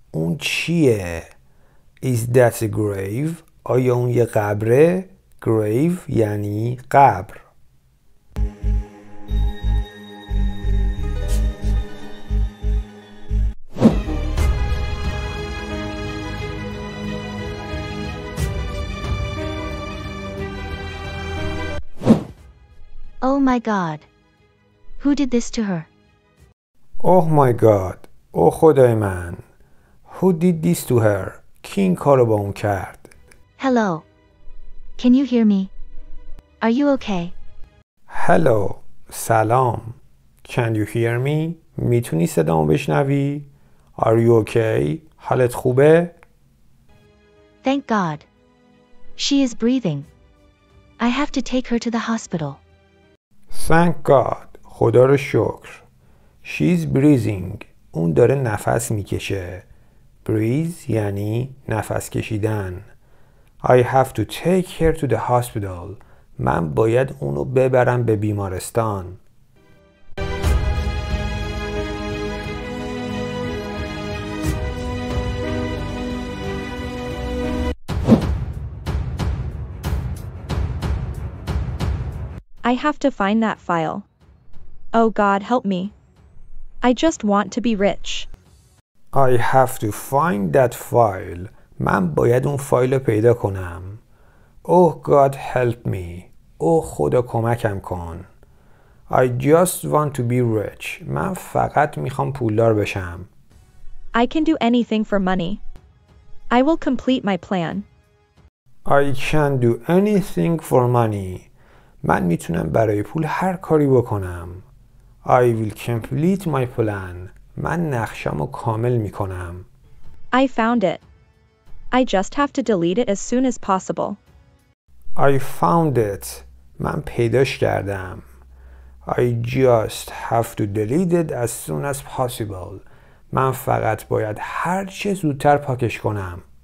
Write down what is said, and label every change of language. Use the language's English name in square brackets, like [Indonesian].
[Persian] اون چیه؟ [English] Is that a grave? [Persian] آیا اون یه قبره؟ Grave یعنی قبر. [English] Oh my god. Who did this to her? Oh my god. Oh [Persian] خدای من. [English] Who did this to her? [Persian] کی این کارو با اون کرد؟ [English] Hello. Can you hear me? Are you okay? Hello. [Persian] سلام. [English] Can you hear me? [Persian] میتونی صدامو بشنوی؟ [English] Are you okay? [Persian] حالت خوبه؟ [English] Thank god. She is breathing. I have to take her to the hospital. Thank God. [Persian] خدا رو شکر. [English] She's breathing. [Persian] اون داره نفس میکشه. Breathe یعنی نفس کشیدن. [English] I have to take her to the hospital. [Persian] من باید اونو ببرم به بیمارستان. [English] I have to find that file. Oh God, help me. I just want to be rich. I have to find that file. [Persian] من باید اون فایل رو پیدا کنم. [English] Oh God help me. [Persian] Oh خدا کمکم کن. [English] I just want to be rich. [Persian] من فقط میخوام پولدار بشم. [English] I can do anything for money. I will complete my plan. I can do anything for money. [Persian] من میتونم برای پول هر کاری بکنم. [English] I will complete my plan. [Persian] من نقشه‌مو کامل میکنم. [English] I found it. I just have to delete it as soon as possible. I found it. [Persian] من پیداش کردم. [English] I just have to delete it as soon as possible. [Persian] من فقط باید هر چه زودتر پاکش کنم.